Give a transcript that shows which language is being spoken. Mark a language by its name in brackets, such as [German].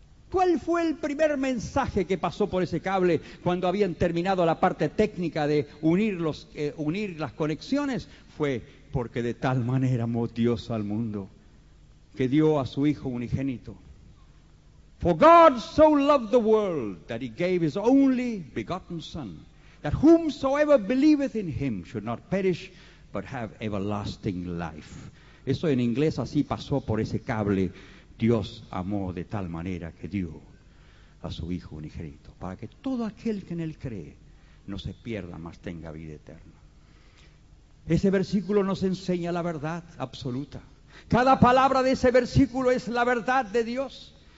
[Spanish] ¿Cuál fue el primer mensaje que pasó por ese cable cuando habían terminado la parte técnica de unir las conexiones? Fue: porque de tal manera amó Dios al mundo que dio a su Hijo unigénito. [English] For God so loved the world that he gave his only begotten Son, that whomsoever believeth in him should not perish, but have everlasting life. [Spanish] Eso en inglés así pasó por ese cable. Dios amó de tal manera que dio a su Hijo unigénito, para que todo aquel que en él cree no se pierda, mas tenga vida eterna. Ese versículo nos enseña la verdad absoluta. Cada palabra de ese versículo es la verdad de Dios.